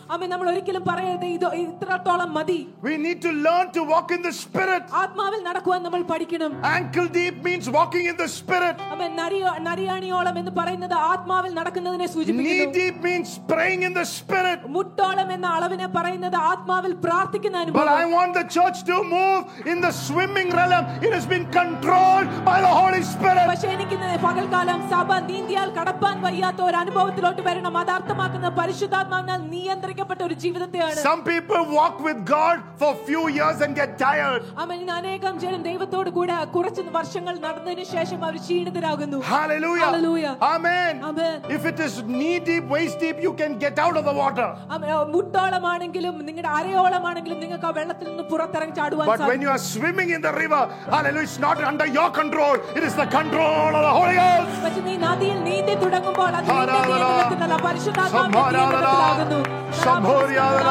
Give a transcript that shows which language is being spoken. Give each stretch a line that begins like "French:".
Malayalam: അമ്മ നമ്മൾ ഒരിക്കലും പറയരുത് ഇത് ഇത്രത്തോളം മതി.
English: We need to learn to walk in the spirit.
Malayalam: ആത്മാവിൽ നടക്കുവാൻ നമ്മൾ പഠിക്കണം.
English: Ankle deep means walking in the spirit.
Malayalam: അമ്മ നരിയാണിയോളം എന്ന് പറയുന്നത് ആത്മാവിൽ നടക്കുന്നതിനെ സൂചിപ്പിക്കുന്നു.
English: Knee deep means praying in the spirit.
Malayalam: മുട്ടോളം എന്ന അളവിനെ പറയുന്നത് ആത്മാവിൽ പ്രാർത്ഥിക്കുന്ന അനുഭവം.
English: But I want the church to move in the swimming realm. It has been controlled by the Holy Spirit.
Malayalam: പക്ഷേ എനിക്കിന്നത് പകൽക്കാലം സഭ നീന്തിയാൽ കടപ്പാൻ വയ്യാത്ത ഒരു അനുഭവത്തിലോട്ട് വരണം. അത് അർത്ഥമാക്കുന്നത് പരിശുദ്ധാത്മാവിനാൽ നിയന്ത്രിക്കുന്നു. അനുഗ്രഹിക്കപ്പെട്ട ഒരു ജീവിതത്തെയാണ്.
English: Some people walk with God for few years and get tired.
Malayalam: അമ്മ അനേകം ജനം ദൈവത്തോട് കൂടെ കുറച്ച് വർഷങ്ങൾ നടന്നതിനു ശേഷം അവർ ക്ഷീണിതരാകുന്നു.
English: Hallelujah. Hallelujah. Amen. Amen. If it is knee deep, waist deep, you can get out of the water.
Malayalam: മുട്ടോളമാണെങ്കിലും നിങ്ങളുടെ അരയോളമാണെങ്കിലും നിങ്ങൾക്ക് ആ വെള്ളത്തിൽ നിന്ന് പുറത്തിറങ്ങി ചാടുവാൻ സാധിക്കും.
English: But when you are swimming in the river, hallelujah, it's not under your control. It is the control of the Holy Ghost.
Malayalam: പക്ഷേ നീ നദിയിൽ നീന്തി തുടങ്ങുമ്പോൾ അത് നിന്റെ പരിശുദ്ധാത്മാവിനെ